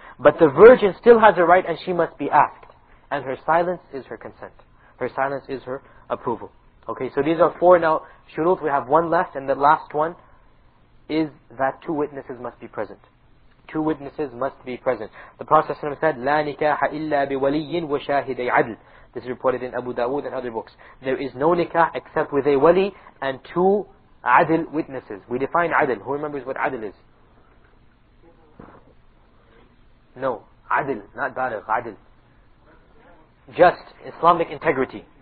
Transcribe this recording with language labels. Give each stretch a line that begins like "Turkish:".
English: But the virgin still has a right, and she must be asked. And her silence is her consent. Her silence is her approval. Okay, so these are four now shurut. We have one left, and the last one is that two witnesses must be present. Two witnesses must be present. The Prophet ﷺ said,
Arabic: لَا نِكَاحَ إِلَّا بِوَلِيٍّ وَشَاهِدَيْ عَدْلٍ.
English: This is reported in Abu Dawood and other books. There is no nikah except with a wali and two adil witnesses. We define adil. Who remembers what adil is? No. Adil. Not balagh. Adil. Just. Islamic integrity.